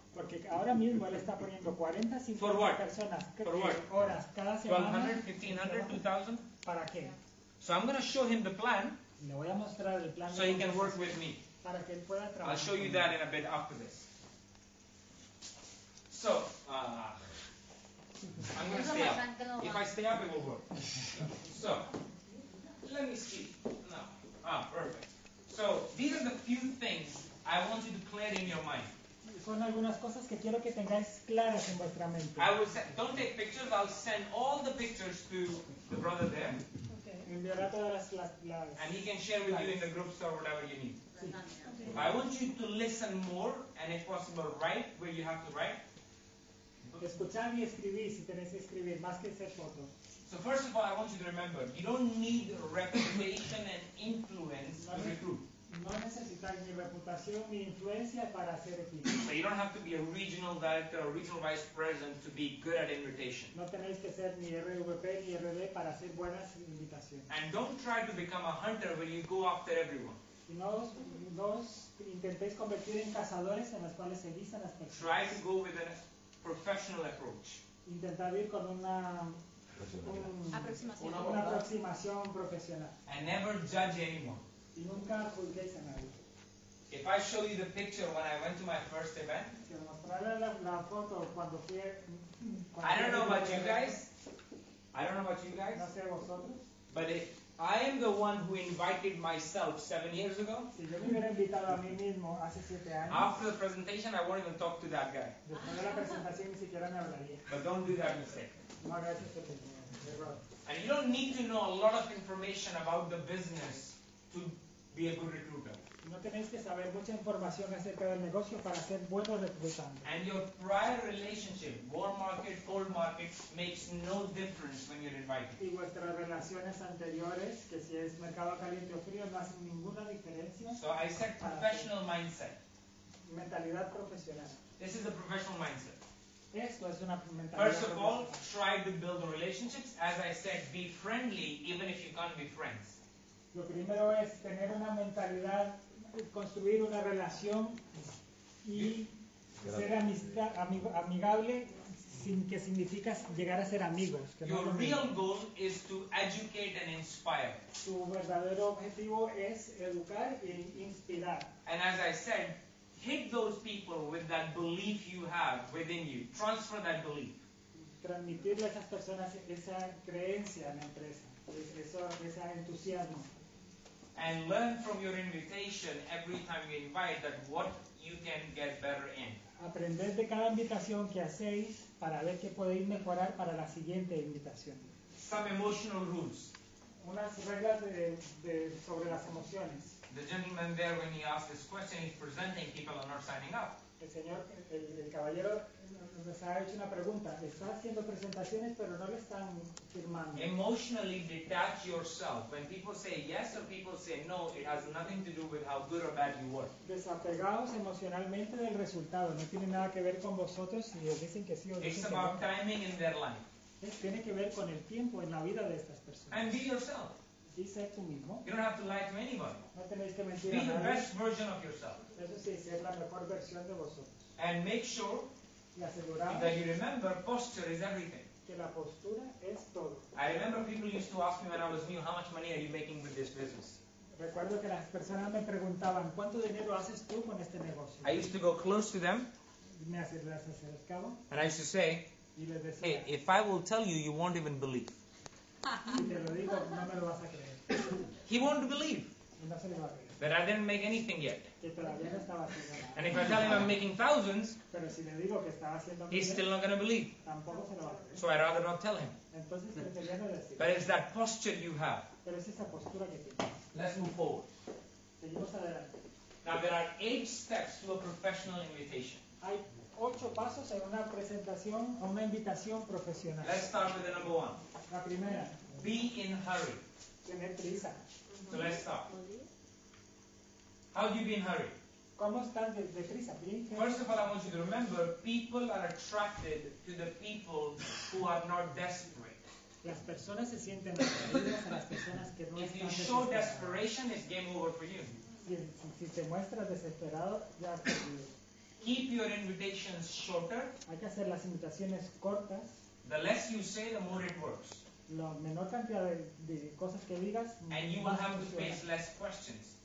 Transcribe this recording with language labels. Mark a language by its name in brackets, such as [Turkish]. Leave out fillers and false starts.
[Spanish] Porque ahora mismo él está poniendo 40, 50 personas, horas cada semana. 1200, 1500, 2000. ¿Para qué? [English] So I'm going to show him the plan. [Spanish] Le voy a mostrar el plan. [English] So he can work with me. [Spanish] Para que él pueda trabajar. [English] I'll show you that in a bit after this. So, I'm going to stay up. If I stay up, it will work. So, let me see. No. Ah, perfect. So, these are the few things I want you to clear in your mind. [Spanish] Son algunas cosas que quiero que tengáis claras en vuestra mente. [English] I will send, don't take pictures, I'll send all the pictures to the brother there. [Spanish] Okay. Enviará todas las [English] and he can share with you in the groups or whatever you need. [Spanish] Sí. [English] Okay. I want you to listen more and if possible write where you have to write. [Spanish] Escuchad y escribid si tenéis que escribir, más que hacer fotos. [English] So first of all, I want you to remember, you don't need reputation and influence to recruit. [Spanish] No necesitáis ni reputación ni influencia para ser equipo. [English] So you don't have to be a regional director or regional vice president to be good at invitation. [Spanish] No tenéis que ser ni RVP ni RD para hacer buenas invitaciones. [English] And don't try to become a hunter when you go after everyone. [Spanish] No intentéis convertir en cazadores en los cuales se listan las personas. [English] Try to go with a professional approach. [Spanish] Intentar ir con una aproximación profesional. [English] And never judge anyone. [Spanish] Y nunca juzguéis a nadie. [English] If I show you the picture when I went to my first event, I don't know about you guys, [Spanish] no sé vosotros, [English] but if I am the one who invited myself 7 years ago, [Spanish] si yo me hubiera invitado a mí mismo hace 7 años, [English] after the presentation, I won't even talk to that guy. [Spanish] Después de la presentación, ni siquiera me hablaría. [English] But don't do that mistake. [Spanish] No hagas ese pequeño error. [English] And you don't need to know a lot of information about the business to be a good recruiter. [Spanish] No tenéis que saber mucha información acerca del negocio para ser buenos reclutando. [English] And your prior relationship, warm market, cold market, makes no difference when you're invited. [Spanish] Y vuestras relaciones anteriores, que si es mercado caliente o frío, no hacen ninguna diferencia. [English] So I said professional mindset. [Spanish] Mentalidad profesional. [English] This is a professional mindset. [Spanish] Esto es una mentalidad. [English] First of all, try to build relationships. As I said, be friendly, even if you can't be friends. [Spanish] Lo primero es tener una mentalidad, construir una relación y ser amigable, sin que significa llegar a ser amigos. [English] Your real goal is to educate and inspire. [Spanish] Tu verdadero objetivo es educar e inspirar. [English] And as I said, hit those people with that belief you have within you. Transfer that belief. [Spanish] Transmitirle a esas personas esa creencia en la empresa, ese entusiasmo. [English] And learn from your invitation every time you invite that what you can get better in. [Spanish] Aprender de cada invitación que hacéis para ver qué podéis mejorar para la siguiente invitación. [English] Some emotional rules. [Spanish] Unas reglas de sobre las emociones. [English] The gentleman there, when he asked this question, he's presenting, people are not signing up. [Spanish] El señor, el caballero nos ha hecho una pregunta. Está haciendo presentaciones, pero no le están firmando. [English] Emotionally detach yourself. When people say yes or people say no, it has nothing to do with how good or bad you were. [Spanish] Desapegaos emocionalmente del resultado. No tiene nada que ver con vosotros si os dicen que sí o dicen [English] it's [Spanish] que [English] about [Spanish] no. [English] Timing in their life. [Spanish] Tiene que ver con el tiempo en la vida de estas personas. [English] And be yourself. [Spanish] Y sé tú mismo. [English] You don't have to lie to anybody. [Spanish] No tenéis que mentir. [English] Be the best version of yourself. [Spanish] Eso sí, ser la mejor versión de vosotros. [English] And make sure that you remember posture is everything. [Spanish] Que la postura es todo. [English] I remember people used to ask me when I was new, how much money are you making with this business? [Spanish] Recuerdo que las personas me preguntaban, ¿cuánto dinero haces tú con este negocio? [English] I used to go close to them. [Spanish] Me acercaba. [English] And I used to say, [Spanish] y les decía, [English] hey, if I will tell you, you won't even believe. [Spanish] Y te lo digo, no me lo vas a creer. [English] He won't believe. [Spanish] No se le va a creer. [English] that I didn't make anything yet. And if I tell him I'm making thousands, [Spanish] pero si le digo que estaba haciendo [English] miles, he's still not going to believe. [Spanish] Tampoco se lo va a creer. [English] So I'd rather not tell him. [Spanish] Entonces, prefería no decir. [English] But it's that posture you have. [Spanish] Pero es esa postura que tienes. [English] Let's move forward. [Spanish] Seguimos adelante. [English] Now there are 8 steps to a professional invitation. [Spanish] Hay 8 pasos en una presentación o una invitación profesional. [English] Let's start with the number 1. [Spanish] La primera. [English] Be in hurry. [Spanish] Tener prisa. [English] So let's start. How do you be in hurry? [Spanish] ¿Cómo están de prisa? [English] First of all, I want you to remember, people are attracted to the people who are not desperate. [Spanish] Las personas se sienten atraídas a las personas que no [English] if [Spanish] están [English] you show desperation, it's game over for you. [Spanish] Si te muestras desesperado, ya has perdido. [English] Keep your invitations shorter. [Spanish] Hay que hacer las invitaciones cortas. [English] The less you say, the more it works. [Spanish] La menor cantidad de cosas que digas, [English] and you will have to face less questions.